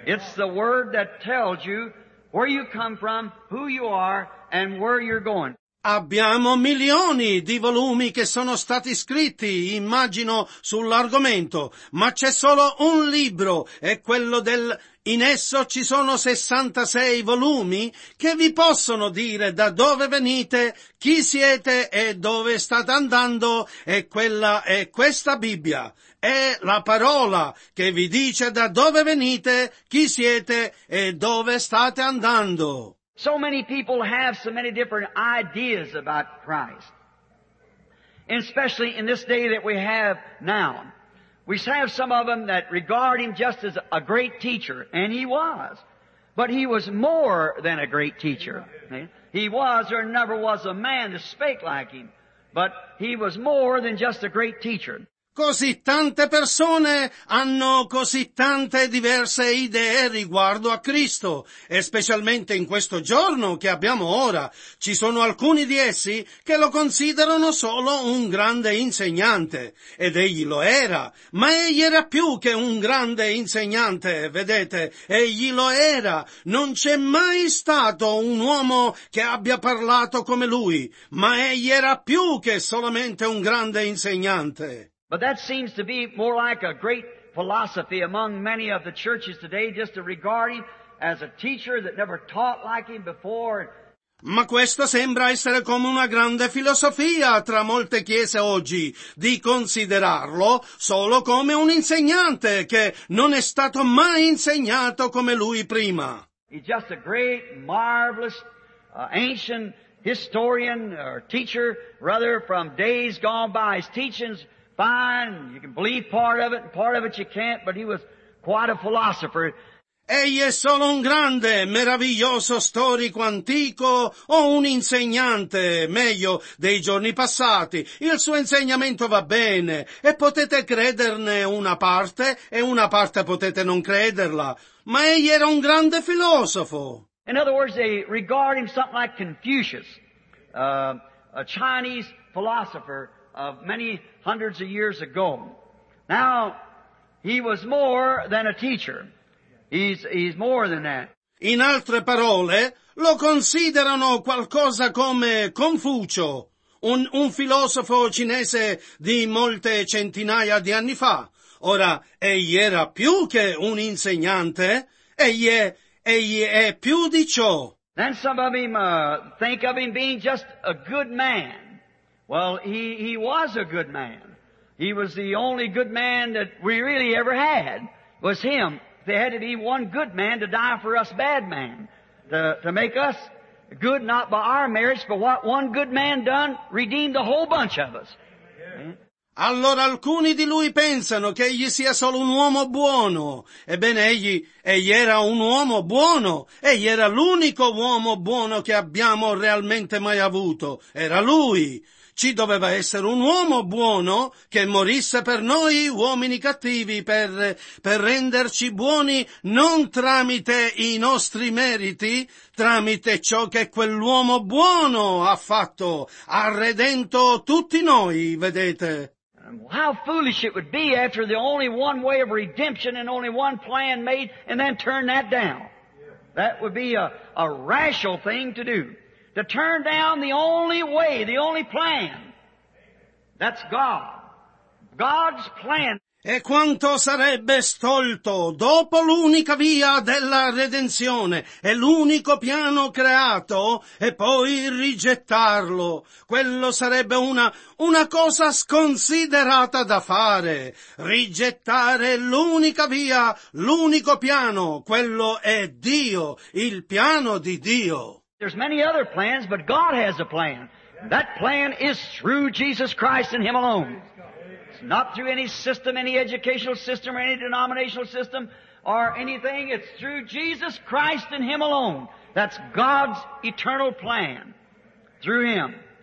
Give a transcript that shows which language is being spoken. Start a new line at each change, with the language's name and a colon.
English: It's the word that tells you where you come from, who you are, and where you're going.
Italian: Abbiamo milioni di volumi che sono stati scritti, immagino, sull'argomento, ma c'è solo un libro, è quello del... In esso ci sono 66 volumi che vi possono dire da dove venite, chi siete e dove state andando, e quella è questa Bibbia. È la parola che vi dice da dove venite, chi siete e dove state andando.
English: So many people have so many different ideas about Christ, especially in this day that we have now. We have some of them that regard him just as a great teacher, and he was. But he was more than a great teacher. He was, there never was a man that spake like him, but he was more than just a great teacher.
Italian: Così tante persone hanno così tante diverse idee riguardo a Cristo, e specialmente in questo giorno che abbiamo ora, ci sono alcuni di essi che lo considerano solo un grande insegnante, ed egli lo era, ma egli era più che un grande insegnante, vedete, egli lo era, non c'è mai stato un uomo che abbia parlato come lui, ma egli era più che solamente un grande insegnante.
English: But that seems to be more like a great philosophy among many of the churches today, just to regard him as a teacher that never taught like him before.
Italian: Ma questo sembra essere come una grande filosofia tra molte chiese oggi, di considerarlo solo come un insegnante che non è stato mai insegnato come lui prima.
English: He's just a great, marvelous, ancient historian or teacher, rather, from days gone by. His teachings... Fine, you can believe part of it, and part of it you can't, but he was quite a philosopher.
Italian: Egli è solo un grande, meraviglioso storico antico o un insegnante, meglio, dei giorni passati. Il suo insegnamento va bene, e potete crederne una parte, e una parte potete non crederla. Ma egli era un grande filosofo.
English: In other words, they regard him something like Confucius, a Chinese philosopher of many hundreds of years ago. Now, he was more than a teacher. He's more than that.
Italian: In altre parole, lo considerano qualcosa come Confucio, un filosofo cinese di molte centinaia di anni fa. Ora, egli era più che un insegnante, egli è più di ciò.
English: Then some of him think of him being just a good man. Well, he was a good man. He was the only good man that we really ever had, was him. There had to be one good man to die for us bad man, to make us good, not by our merits, but what one good man done redeemed a whole bunch of us.
Italian: Allora alcuni di lui pensano che egli sia solo un uomo buono. Ebbene, egli era un uomo buono. Egli era l'unico uomo buono che abbiamo realmente mai avuto. Era lui. Ci doveva essere un uomo buono che morisse per noi uomini cattivi, per renderci buoni non tramite i nostri meriti, tramite ciò che quell'uomo buono ha fatto, ha redento tutti noi, vedete.
English: How foolish it would be after the only one way of redemption and only one plan made and then turn that down. That would be a rational thing to do. To turn down the only way, the only plan. That's God. God's plan.
Italian: E quanto sarebbe stolto dopo l'unica via della redenzione e l'unico piano creato e poi rigettarlo. Quello sarebbe una cosa sconsiderata da fare. Rigettare l'unica via, l'unico piano, quello è Dio, il piano di Dio.
English: There's many other plans, but God has a plan. That plan is through Jesus Christ and Him alone. It's not through any system, any educational system, or any denominational system, or anything. It's through Jesus Christ and Him alone. That's God's eternal plan. Through Him.